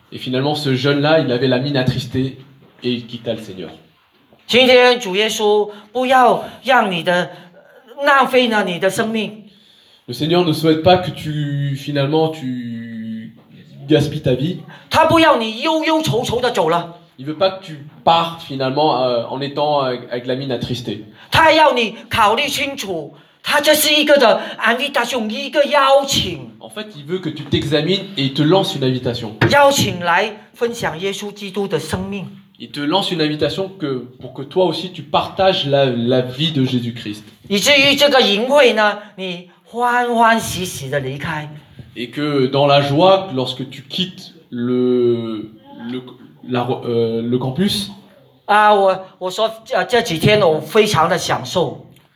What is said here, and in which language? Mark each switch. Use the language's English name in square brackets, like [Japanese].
[French] Et finalement ce jeune là il avait la mine attristée et il quitta le Seigneur. [Chinese] 今天主耶稣不要让你的浪费了你的生命。 [French] Le Seigneur ne souhaite pas que tu, finalement, tu gaspilles ta vie. Il ne veut pas que tu partes, finalement, en étant avec la mine attristée. [Chinese] 他要你考虑清楚, 他这是一个的 invitation， 一个邀请。 [French] En fait, il veut que tu t'examines et il te lance une invitation. [Chinese] 邀请来分享耶稣基督的生命。 [French] Il te lance une invitation que, pour que toi aussi tu partages la, la vie de Jésus-Christ. [Chinese] 以至于这个营会呢，你欢欢喜喜的离开。 [French] Et que dans la joie, lorsque tu quittes le, le, la, le campus. [Chinese] 啊，我说这几天我非常的享受。